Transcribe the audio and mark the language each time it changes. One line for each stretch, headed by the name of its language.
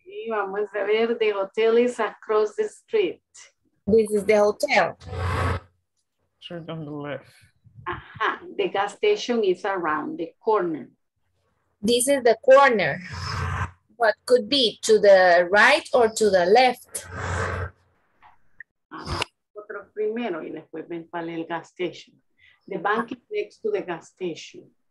Spanish: Vamos a ver,
English: the hotel is across the street. This is the hotel. Turn on the left. Aha, the gas station is around the corner. This is the corner. What could be to the right or to the left?
Spanish: Otro primero y después ven para el
English: gas station. The bank is next to the gas station.